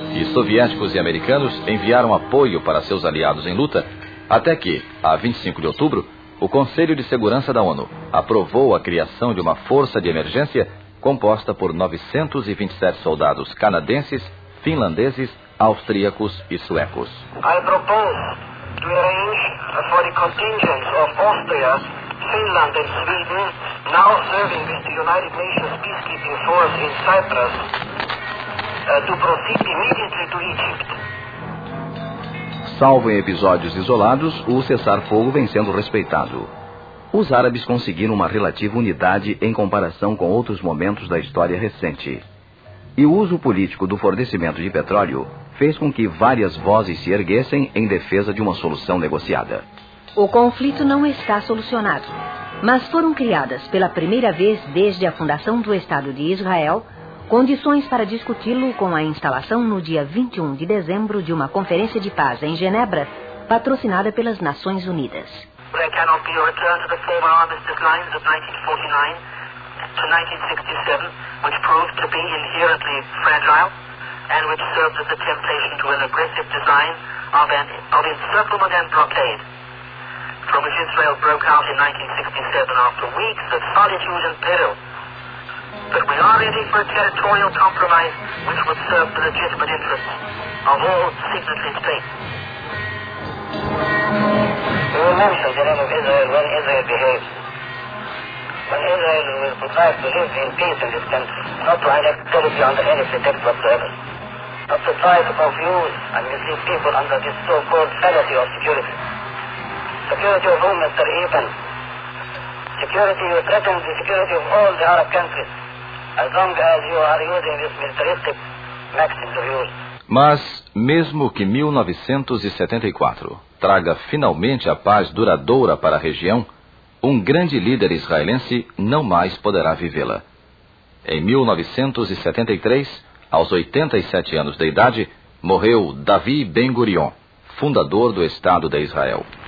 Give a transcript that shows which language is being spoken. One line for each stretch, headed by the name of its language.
Portuguese: E soviéticos e americanos enviaram apoio para seus aliados em luta, até que, a 25 de outubro, o Conselho de Segurança da ONU aprovou a criação de uma força de emergência composta por 927 soldados canadenses, finlandeses, austríacos e suecos.
English: I propose to arrange for a contingent of Austria, Finland and Sweden, now serving with the United Nations peacekeeping force in Cyprus, to proceed immediately to Egypt.
Portuguese: Salvo em episódios isolados, o cessar-fogo vem sendo respeitado. Os árabes conseguiram uma relativa unidade em comparação com outros momentos da história recente. E o uso político do fornecimento de petróleo fez com que várias vozes se erguessem em defesa de uma solução negociada. O conflito não está solucionado, mas foram criadas pela primeira vez desde a fundação do Estado de Israel condições para discuti-lo com a instalação no dia 21 de dezembro de uma conferência de paz em Genebra, patrocinada pelas Nações Unidas.
English: There cannot be a return to the former armistice lines of 1949 to 1967, which proved to be inherently fragile and which served as a temptation to an aggressive design of encirclement and blockade, from which Israel broke out in 1967 after weeks of solitude and peril. But we are ready for a territorial compromise which would serve the legitimate interests of all signatory states. You will mention the name of Israel when Israel behaves. When Israel will contrive to live in peace in this country, not to annex territory under any pretext whatsoever. Not to try to confuse and mislead people under this so-called fallacy of security. Security of whom, Mr. Eben? Security you threaten the security of all the Arab countries, as long as you are using this militaristic maxim of yours.
Portuguese: Mas, mesmo que 1974 traga finalmente a paz duradoura para a região, um grande líder israelense não mais poderá vivê-la. Em 1973, aos 87 anos de idade, morreu David Ben-Gurion, fundador do Estado de Israel.